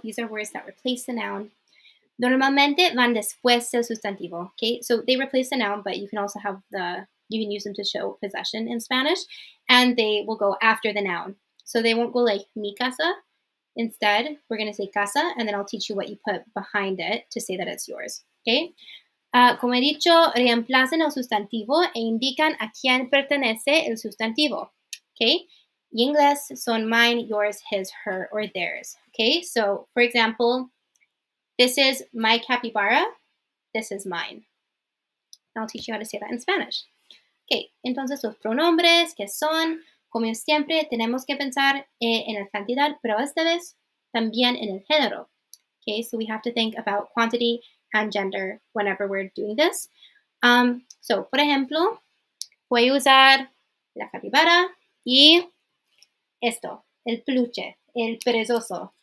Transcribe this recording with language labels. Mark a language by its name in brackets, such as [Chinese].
[English] These are words that replace the noun. [Spanish] Normalmente van después del sustantivo, [English] okay? So, they replace the noun, but you can also have the, you can use them to show possession in Spanish, and they will go after the noun. So, they won't go like [Spanish] mi casa. [English] Instead, we're going to say casa, and then I'll teach you what you put behind it to say that it's yours. Okay. [Spanish] Como he dicho, reemplazan el sustantivo e indican a quién pertenece el sustantivo. [English] Okay. [Spanish] Y inglés son [English] mine, yours, his, her, or theirs. Okay. So, for example, this is my capybara. This is mine. And I'll teach you how to say that in Spanish. [Spanish] Okay. Entonces, los pronombres, ¿qué son? Como siempre, tenemos que pensar en la cantidad, pero esta vez también en el género. [English] Okay, so we have to think about quantity and gender whenever we're doing this. [Spanish] So, por ejemplo, voy a usar la capibara y esto, el peluche, el perezoso.